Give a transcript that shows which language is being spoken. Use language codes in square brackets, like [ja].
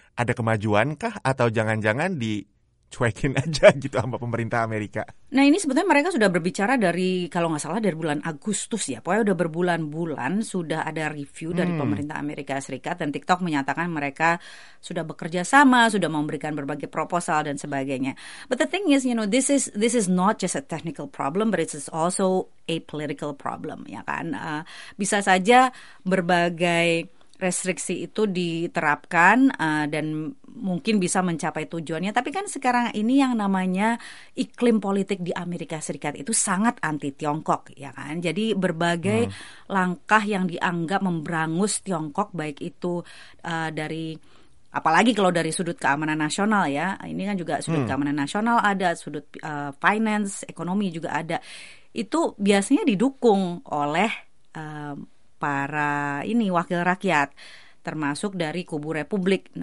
[id] Ada kemajuan kah? Atau jangan-jangan dicuekin aja gitu sama pemerintah Amerika? Nah, ini sebetulnya mereka sudah berbicara dari, kalau nggak salah, dari bulan Agustus ya. Pokoknya udah berbulan-bulan sudah ada review dari pemerintah Amerika Serikat. Dan TikTok menyatakan mereka sudah bekerja sama, sudah memberikan berbagai proposal dan sebagainya. [en] But the thing is, you know, this is not just a technical problem, but it's also a political problem, [id] ya kan? Bisa saja berbagai restriksi itu diterapkan dan mungkin bisa mencapai tujuannya, tapi kan sekarang ini yang namanya iklim politik di Amerika Serikat itu sangat anti Tiongkok, ya kan? Jadi berbagai langkah yang dianggap memberangus Tiongkok, baik itu dari, apalagi kalau dari sudut keamanan nasional, ya, ini kan juga sudut keamanan nasional ada, sudut finance, ekonomi juga ada, itu biasanya didukung oleh para ini wakil rakyat, termasuk dari kubu Republik.